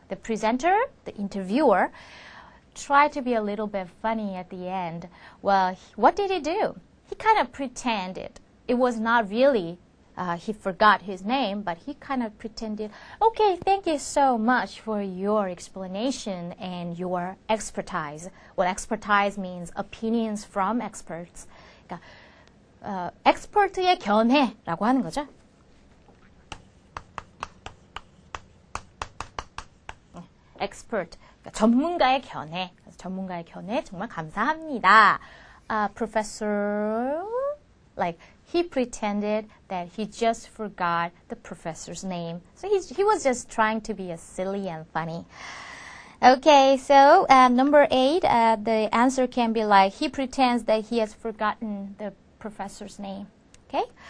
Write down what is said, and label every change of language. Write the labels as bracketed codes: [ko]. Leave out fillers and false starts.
[en] The presenter, the interviewer, try to be a little bit funny at the end. Well, what did he do? He kind of pretended. It was not really, he forgot his name, but he kind of pretended, okay, thank you so much for your explanation and your expertise. Well, expertise means opinions from experts. [ko] 그러니까, 엑스퍼트의 견해라고 하는 거죠. Expert, 그러니까 전문가의 견해. 전문가의 견해 정말 감사합니다. [en] Professor, like he pretended that he just forgot the professor's name. So he was just trying to be a silly and funny. Okay, so number 8, the answer can be like he pretends that he has forgotten the professor's name. Okay?